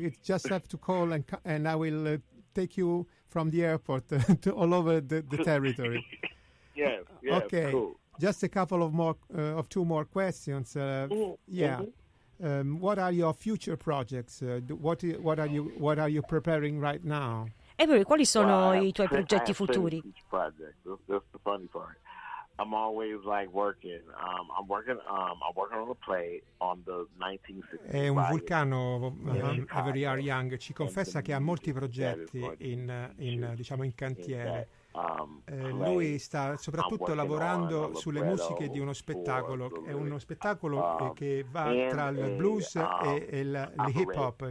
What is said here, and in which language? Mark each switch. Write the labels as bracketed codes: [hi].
[en] You just have to call and I will take you from the airport to all over the territory. Yes. Okay. Cool. Just a couple of more, of two more questions. Yeah. Mm-hmm. What are your future projects? What are you preparing right now? [it] Avery, quali sono I tuoi progetti futuri? [en] That's the funny part. I'm always like working. I'm working on a play on the 1965. [it] È un vulcano. Avery R. Young ci confessa che ha molti progetti in cantiere. Lui sta soprattutto lavorando sulle musiche di uno spettacolo. È uno spettacolo che va tra il blues e il hip hop.